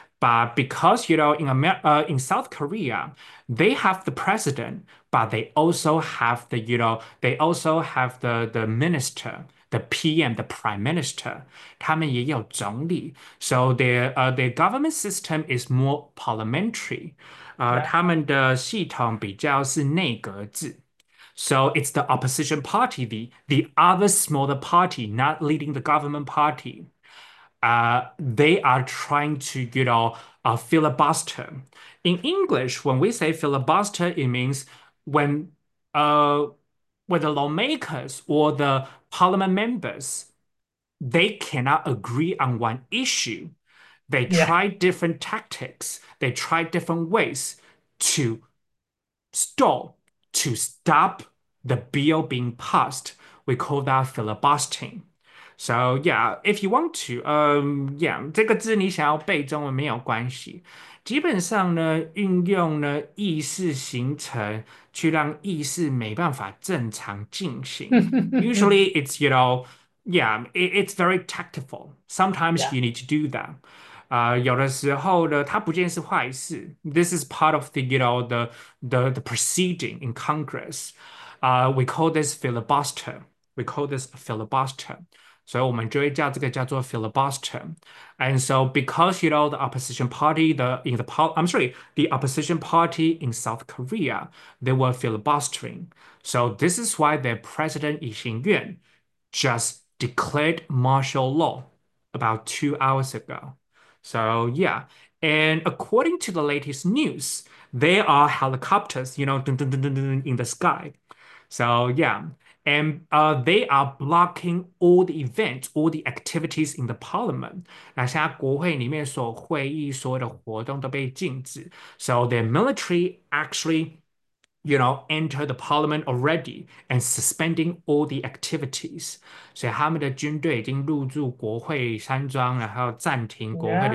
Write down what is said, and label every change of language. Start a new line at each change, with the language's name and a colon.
English: But because in America, in South Korea, they have the president, but they also have the, they also have the minister, the PM, the prime minister,
Chinese: 他们也有总理.
English: So their government system is more parliamentary. Yeah.
Chinese: 他们的系统比较是内阁制.
English: So it's the opposition party, the other smaller party, not leading the government party. They are trying to, filibuster. In English, when we say filibuster, it means when the lawmakers or the parliament members, they cannot agree on one issue. They Yeah. try different tactics, they try different ways to stall, to stop the bill being passed. We call that filibustering. So yeah, if you want to, yeah,
Chinese: 这个字你想要背中文没有关系。基本上呢，运用呢意识形成去让意识没办法正常进行。
English: Usually it's, yeah, it's very tactful. Sometimes you need to do that.
Chinese: 有的时候呢，它不见是坏事。
English: This is part of the proceeding in Congress. We call this filibuster. We call this filibuster.
Chinese: 所以我们就会叫这个叫做 filibuster.
English: And so because the opposition party the in the I'm sorry, the opposition party in South Korea, they were filibustering. So this is why their president Lee Ching-yuan just declared martial law about 2 hours ago. So yeah, and according to the latest news, there are helicopters, dun dun dun dun dun in the sky. So yeah. And they are blocking all the events, all the activities in the parliament.
Chinese: 那现在国会里面所会议所有的活动都被禁止。
English: So their military actually, enter the parliament already and suspending all the activities.
Chinese: 所以他们的军队已经入驻国会山庄，然后暂停国会的